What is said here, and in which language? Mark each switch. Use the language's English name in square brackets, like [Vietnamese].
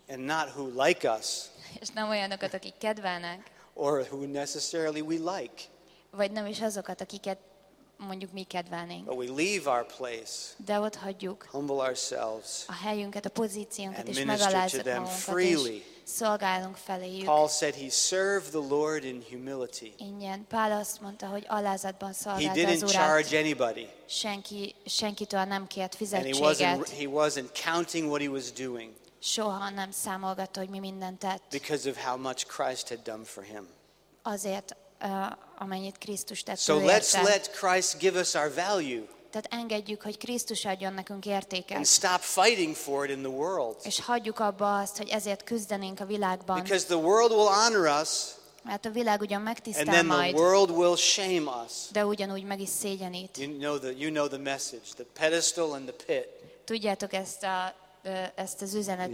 [English] And not who like us, [Hungarian] és nem olyanokat, akik kedvelnek. [English] Or who necessarily we like. [Hungarian] Vagy nem is azokat, akiket mondjuk mi kedvelnénk. [English] But we leave our place, [Hungarian] de ott hagyjuk [English] humble ourselves, [Hungarian] a helyünket, a pozíciónkat, [English] and minister to them freely. [Hungarian] Szolgálunk feléjük. [English] Paul said he served the Lord in humility. [Hungarian] Ingyen. Paul azt mondta, hogy alázatban szolgált az Urat. [English] He didn't charge anybody. [Hungarian] Senkitől nem kért fizetséget. [English] And he wasn't counting what he was doing. [Hungarian] Soha nem számolgatta, hogy mi mindent tett. [English] Because of how much Christ had done for him. [Hungarian] Azért, amennyit Krisztus tett. [English] So let's let Christ give us our value. [Hungarian] Tehát engedjük, hogy Krisztus adjon nekünk értéket. [English] And stop fighting for it in the world. [Hungarian] És hagyjuk abba azt, hogy ezért küzdenénk a világban. [English] Because the world will honor us. [Hungarian] Mert a világ ugyan megtisztel majd. [English] And then the world will shame us. [Hungarian] De ugyanúgy meg is szégyenít. [English] You know the message, the pedestal and the pit. [Hungarian] Tudjátok ezt az üzenetet.